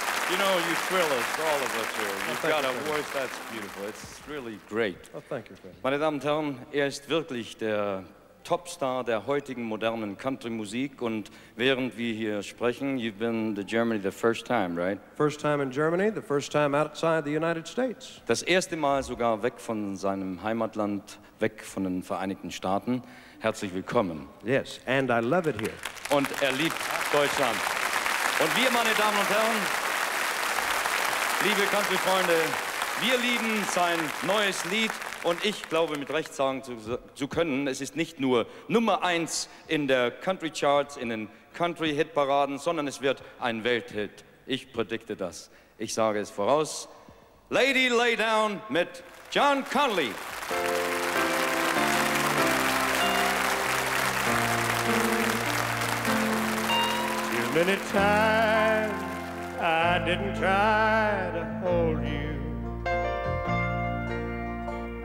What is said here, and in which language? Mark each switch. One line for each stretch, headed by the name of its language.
English: You know, you thrill us, all of us here. You've got a voice that's beautiful. It's really great. Oh, thank you, Freddy.
German: Meine Damen und Herren, ist wirklich der Topstar der heutigen modernen Country-Musik. Und während wir hier sprechen,
English: you've been to Germany the first time, right? First time in Germany, the first time outside the United States.
German: Das erste Mal sogar weg von seinem Heimatland, weg von den Vereinigten Staaten. Herzlich willkommen.
English: Yes, and I love it here.
German: Und liebt Deutschland. Und wir, meine Damen und Herren, liebe Country-Freunde, wir lieben sein neues Lied. Und ich glaube, mit Recht sagen zu können, es ist nicht nur Nummer 1 in der Country Charts, in den Country Hit Paraden, sondern es wird ein Welthit. Ich predikte das. Ich sage es voraus. Lady Lay Down mit John Conlee.
English: Too many times I didn't try to hold you.